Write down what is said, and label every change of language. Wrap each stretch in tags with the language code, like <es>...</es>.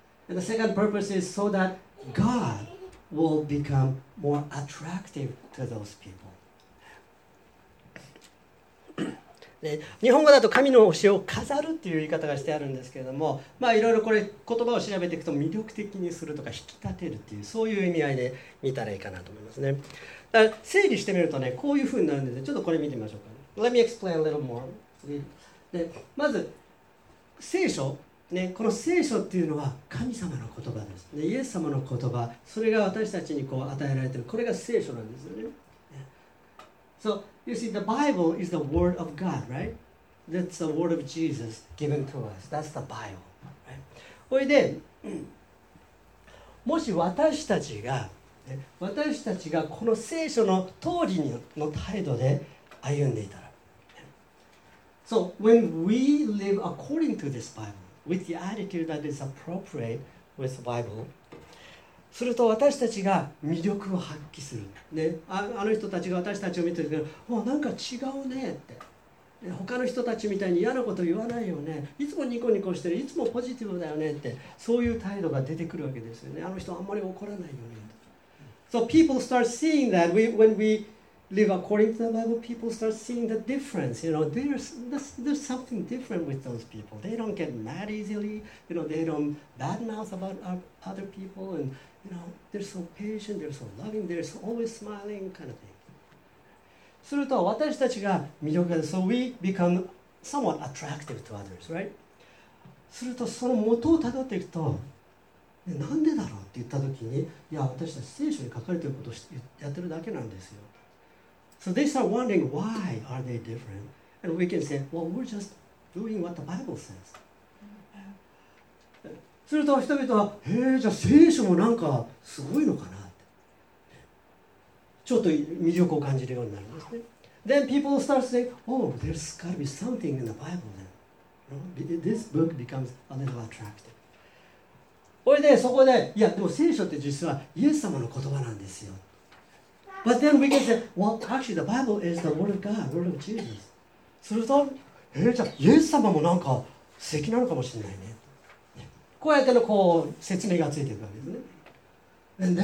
<en>And the second purpose is, so that God will become more attractive to those people.</en> <ja>で日本語だと神の教えを飾るっていう言い方がしてあるんですけれども、まあいろいろこれ言葉を調べていくと魅力的にするとか引き立てるっていうそういう意味合いで見たらいいかなと思いますね。だから整理してみるとね、こういうふうになるんです。ちょっとこれ見てみましょうか。</ja> <en>Let me explain a little more.</en> <ja>でまず聖書、ね、この聖書っていうのは神様の言葉です。でイエス様の言葉、それが私たちにこう与えられている。これが聖書なんですよね。</ja> <en>So, you see, the Bible is the word of God, right? That's the word of Jesus given to us. That's the Bible, right?</en> <ja>それで、もし私たちが、私たちがこの聖書の通りの態度で歩んでいたら。</ja> <en>So, when we live according to this Bible, with the attitude that is appropriate with the Bible,</en> <ja>すると私たちが魅力を発揮する、ね、あの人たちが私たちを見てるけど、なんか違うねって、他の人たちみたいに嫌なこと言わないよね、いつもニコニコしてる、いつもポジティブだよねって、そういう態度が出てくるわけですよね。あの人あんまり怒らないよね。</ja> <en>So people start seeing that when we live according to the Bible, people start seeing the difference. You know, there's something different with those people. They don't get mad easily. You know, they don't badmouth about other people. And you know, they're so patient. They're so loving. They're so always smiling, kind of thing.</en> <ja>すると私たちが魅力がある。</ja> <en>So we become somewhat attractive to others, right?</en> <ja>するとその元をたどっていくと、なんでだろうって言ったときに、いや、私たち聖書に書かれていることをやってるだけなんですよ。</ja> <en>So they start wondering why are they different, and we can say, well, we're just doing what the Bible says.</en> <ja>すると人々は、へえ、じゃあ聖書もなんかすごいのかなって、ちょっと魅力を感じるようになるんですね。</ja> <en>Then people start saying, oh, there's got to be something in the Bible then. This book becomes a little attractive.</en> <ja>それでそこで、いやでも聖書って実はイエス様の言葉なんですよ。</ja> <en>But then we can say, well, actually, the Bible is the word of God, word of Jesus.</en> <ja>すると、じゃあ、イエス様もなんか素敵なのかもしれないね。こうやってのこう説明がついてるわけですね。</ja>